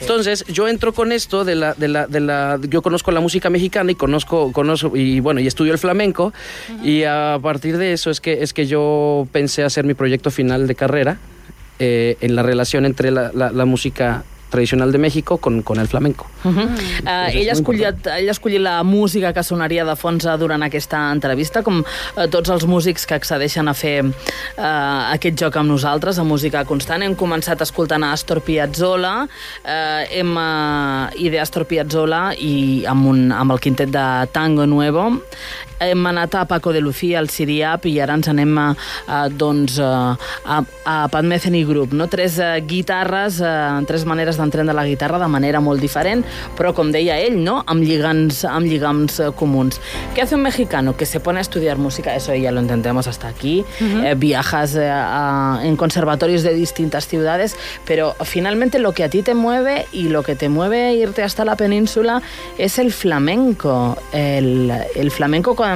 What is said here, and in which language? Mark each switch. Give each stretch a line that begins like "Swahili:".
Spanish: Entonces yo entro con esto de la yo conozco la música mexicana y conozco y bueno, y estudio el flamenco, uh-huh. Y a partir de eso es que yo pensé hacer mi proyecto final de carrera. En la relación entre la música tradicional de México con el flamenco. Uh-huh.
Catalan: Ella ha escollit la música que sonaria de fons durant aquesta entrevista, com tots els músics que accedeixen a fer aquest joc amb nosaltres, a Música Constant. Hem començat escoltant a Astor Piazzolla, i de Astor Piazzolla i amb el quintet de Tango Nuevo. Hem anat a Paco de Lucía, al Siriap, i ara ens anem a Pat Metheny Group, no? Tres guitarres, tres maneres d'entendre la guitarra de manera molt diferent, però com deia ell, no? amb lligams comuns.
Spanish: ¿Qué hace un mexicano que se pone a estudiar música? Eso ya lo entendemos hasta aquí. Uh-huh. Viajas en conservatorios de distintas ciudades, pero finalmente lo que a ti te mueve y lo que te mueve a irte hasta la península es el flamenco. El flamenco